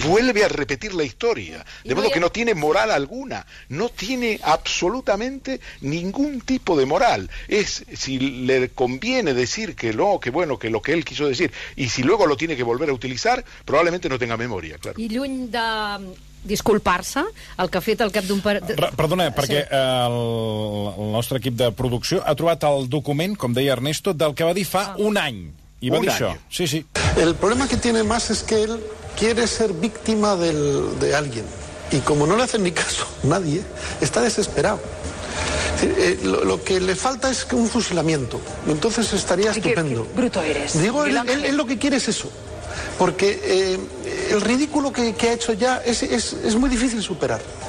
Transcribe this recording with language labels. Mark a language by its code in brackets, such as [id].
[es] Vuelve a repetir la historia, de modo que no tiene moral alguna, no tiene absolutamente ningún tipo de moral, es si le conviene decir que no, que bueno, que lo que él quiso decir, y si luego lo tiene que volver a utilizar, probablemente no tenga memoria, claro. [ca] Y lluny de disculpar-se, el que ha fet al cap d'un... Perdona, perquè sí. El nostre equip de producció ha trobat el document, com deia Ernesto, del que va dir fa un any. I va un dir any. Això. Sí, sí. [es] El problema que tiene más es que él quiere ser víctima de alguien. Y como no le hacen ni caso nadie, está desesperado. Lo que le falta es un fusilamiento. Entonces estaría estupendo. Qué bruto eres. Digo, él lo que quiere es eso. Porque el ridículo que ha hecho ya es muy difícil superar.